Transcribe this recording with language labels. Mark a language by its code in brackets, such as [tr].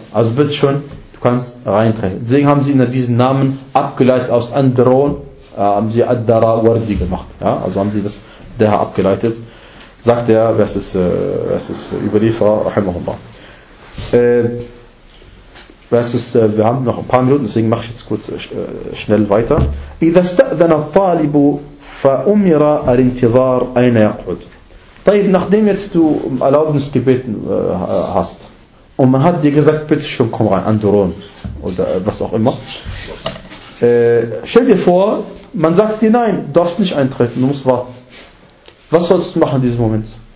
[de] Also bitte schön, du kannst reintreten. Deswegen haben sie ihn diesen Namen abgeleitet aus Andron, haben sie Ad-Darawardi gemacht. Ja? Also haben sie das daher abgeleitet. Sagt er, was ist Überlieferer, rahimahullah. Wir haben noch ein paar Minuten, deswegen mache ich jetzt kurz schnell weiter. [ar] إذا استأذن الطالب فأمر الانتظار أين يقعد. [de] طيب, nachdem jetzt du Erlaubnis gebeten hast und man hat dir gesagt, bitte schon komm rein, Andron oder was auch immer, stell dir vor, man sagt dir, nein, du darfst nicht eintreten, du musst warten. Was sollst du machen in diesem Moment?